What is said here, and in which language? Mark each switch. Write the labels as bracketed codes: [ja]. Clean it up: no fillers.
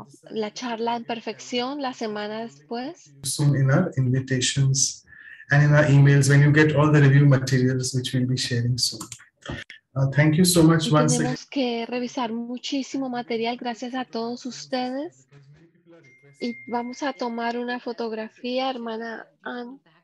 [es] La charla en perfección la semana después. [en] Soon in our invitations and in our emails when you get all the review materials which we'll be sharing soon. Thank you so much once again. [es] Tenemos que revisar muchísimo material, gracias a todos ustedes. Y vamos a tomar una fotografía, hermana Ann.